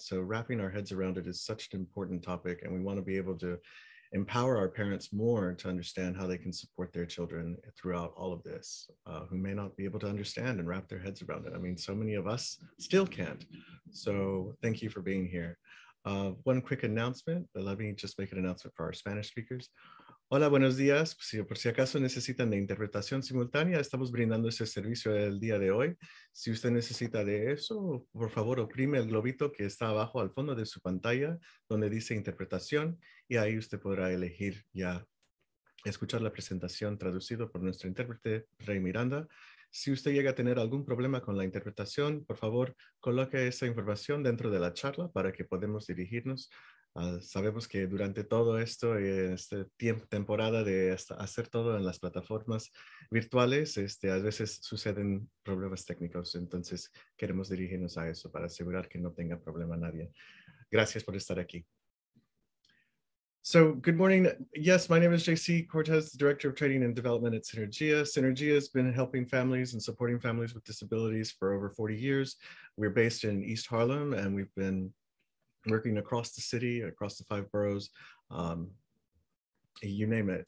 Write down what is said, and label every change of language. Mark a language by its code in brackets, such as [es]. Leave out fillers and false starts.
[en] So wrapping our heads around it is such an important topic, and we want to be able to empower our parents more to understand how they can support their children throughout all of this, who may not be able to understand and wrap their heads around it. I mean, so many of us still can't. So thank you for being here. One quick announcement, but let me just make an announcement for our Spanish speakers. [es] Hola, buenos días. Por si acaso necesitan de interpretación simultánea, estamos brindando ese servicio el día de hoy. Si usted necesita de eso, por favor, oprime el globito que está abajo al fondo de su pantalla, donde dice interpretación, y ahí usted podrá elegir ya escuchar la presentación traducido por nuestro intérprete, Rey Miranda. Si usted llega a tener algún problema con la interpretación, por favor, coloque esa información dentro de la charla para que podamos dirigirnos. Sabemos que durante todo esto, esta temporada de hacer todo en las plataformas virtuales, a veces suceden problemas técnicos, entonces queremos dirigirnos a eso para asegurar que no tenga problema nadie. Gracias por estar aquí. [en] So, good morning. Yes, my name is JC Cortez, the Director of Training and Development at Synergia. Synergia has been helping families and supporting families with disabilities for over 40 years. We're based in East Harlem, and we've been working across the city, across the five boroughs, you name it.